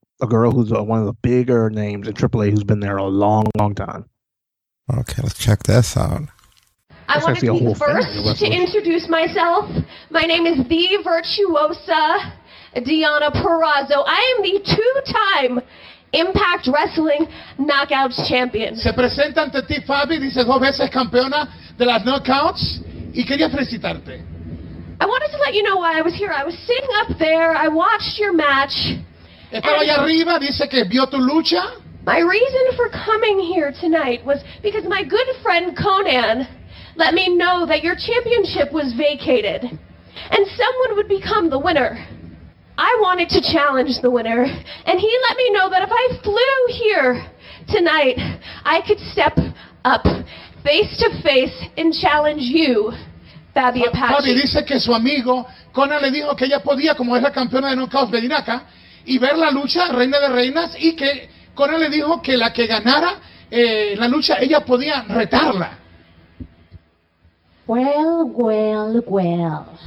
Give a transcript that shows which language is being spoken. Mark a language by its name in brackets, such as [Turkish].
[English] A girl who's one of the bigger names in AAA who's been there a long, long time. Okay. Let's check this out. I want to be first to introduce myself. My name is the Virtuosa Deonna Purrazzo. I am the two-time Impact Wrestling Knockouts Champion. [Spanish] Se presenta ante ti, Fabi, dice dos veces campeona de las knockouts, y quería felicitarte. [English] I wanted to let you know why I was here. I was sitting up there, I watched your match. [Spanish] Estaba allá arriba, dice que vio tu lucha. [English] My reason for coming here tonight was because my good friend Conan let me know that your championship was vacated and someone would become the winner. I wanted to challenge the winner, and he let me know that if I flew here tonight, I could step up face to face and challenge you, Fabi Apache. [Spanish] Fabi dice que su amigo Conan le dijo que ella podía, como es la campeona de knockouts, venir acá y ver la lucha Reina de Reinas, y que Conan le dijo que la que ganara la lucha, ella podía retarla. [English] Well, well, well.